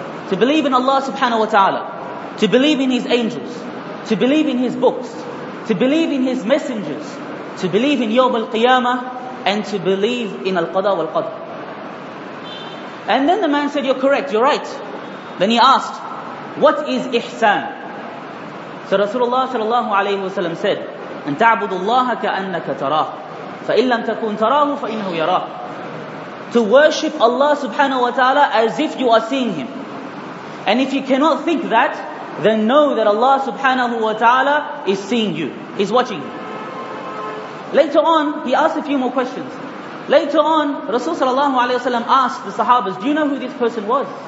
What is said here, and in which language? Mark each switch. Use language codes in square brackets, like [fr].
[en] To believe in Allah subhanahu wa ta'ala, to believe in his angels, to believe in his books, to believe in his messengers, to believe in Yawm al-Qiyamah, and to believe in al-Qada wal-Qadr. And then the man said, you're correct, you're right. Then he asked, what is ihsan? So Rasulullah sallallahu alayhi wa sallam said, [ar] أن تعبد الله كأنك تراه فإن لم تكن تراه فإنه يراه. [en] To worship Allah subhanahu wa ta'ala as if you are seeing him. And if you cannot think that, then know that Allah subhanahu wa ta'ala is seeing you. He's watching you. Later on, he asked a few more questions. Later on, Rasul sallallahu alayhi wa sallam asked the sahabas, do you know who this person was?